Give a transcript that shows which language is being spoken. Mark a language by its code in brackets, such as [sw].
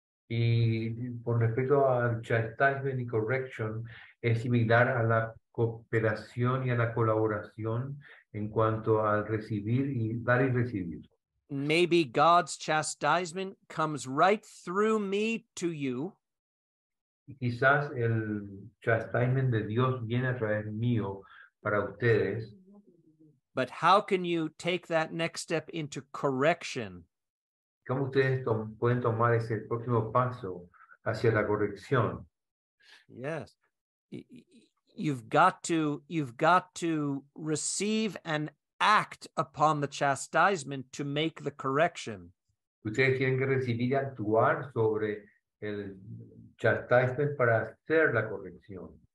[es] Y por respecto al chastisement y correction, es similar a la cooperación y a la colaboración en cuanto al recibir y dar y recibir. [en] Maybe God's chastisement comes right through me to you. [es] Y quizás el chastisement de Dios viene a través mío para ustedes. [en] But how can you take that next step into correction? [es] ¿Cómo ustedes pueden tomar ese próximo paso hacia la corrección? [en] Yes. You've got to receive and act upon the chastisement to make the correction. [es] Ustedes tienen que recibir y actuar sobre el chastisement para hacer la corrección.